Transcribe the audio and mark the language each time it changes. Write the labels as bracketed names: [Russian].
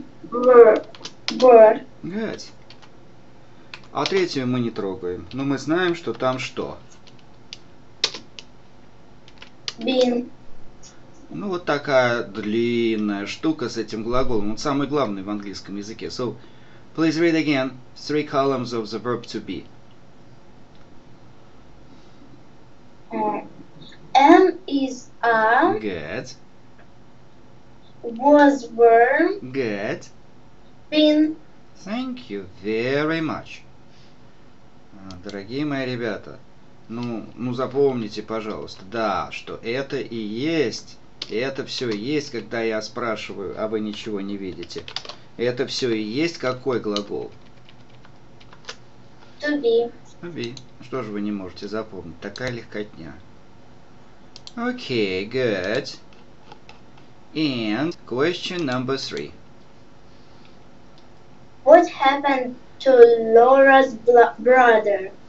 [English] Were. [Russian] Good. А третью мы не трогаем. Но мы знаем, что там что? [English] Been. [Russian] Ну, вот такая длинная штука с этим глаголом. Он самый главный в английском языке. [English] So, please read again three columns of the verb to be. Am is a. Good. Was were. Good. Been. Thank you very much. [Russian] Дорогие мои ребята, ну запомните, пожалуйста, да, что это и есть, это все и есть, когда я спрашиваю, а вы ничего не видите. Это все и есть какой глагол? [English] To be. To be. [Russian] Что же вы не можете запомнить? Такая легкотня. Окей, good. [English] And question number three. What happened to Laura's brother?